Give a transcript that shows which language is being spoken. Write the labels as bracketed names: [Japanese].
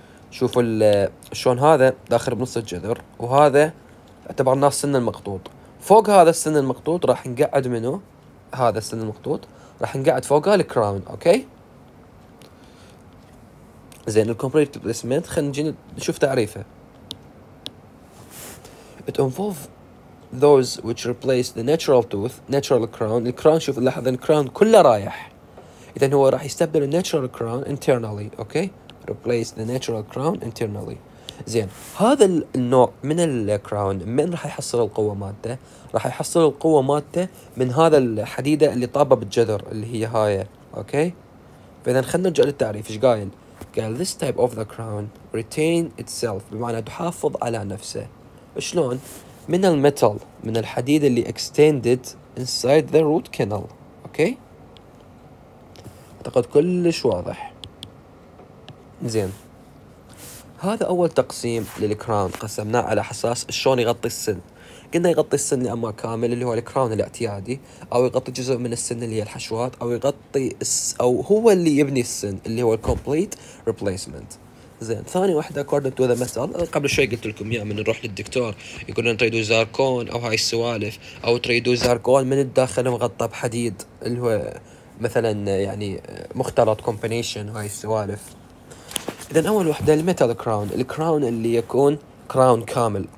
[Arabic] شوفوا شلون هذا داخل بنص الجذر، وهذا اعتبرناه السن المقطوط. فوق هذا السن المقطوط راح نقعد منه، هذا السن المقطوط راح نقعد فوقه الكراون. اوكي زين، الكومبريت ريبليسمنت خلينا نجي نشوف تعريفه. [English] It involves those which replace the natural tooth, natural crown. The crown, [Arabic] شوف اللحظة، the crown كله رايح. إذن هو راح يستبدل [English] the natural crown internally. Okay, replace the natural crown internally. [Arabic] زين، هذا النوع من the crown من راح يحصل القوة مادة؟ راح يحصل القوة مادة من هذا الحديدة اللي طابة بالجذر اللي هي هاي. Okay، فإذن خلنا نرجع للتعريف. إيش قايل؟ قال [English] this type of the crown retain itself، [Arabic] بمعنى تحافظ على نفسه. شلون؟ من الميتال، من الحديد اللي [English] extended inside the root canal. [Arabic] اوكي، اعتقد كلش واضح. زين، هذا اول تقسيم للكراون قسمناه على حساس شلون يغطي السن. قلنا يغطي السن لاما كامل اللي هو الكراون الاعتيادي، او يغطي جزء من السن اللي هي الحشوات، او يغطي او هو اللي يبني السن اللي هو complete replacement. زين، ثاني واحدة [English] according to the method. [Arabic] قبل شوي قلت لكم يا من نروح للدكتور يقول لنا تريدوا زاركون أو هاي السوالف، أو تريدوا زاركون من الداخل مغطى بحديد اللي هو مثلا يعني مختلط combination هاي السوالف. إذا أول واحدة الميتال كراون، الكراون اللي يكون كراون كامل.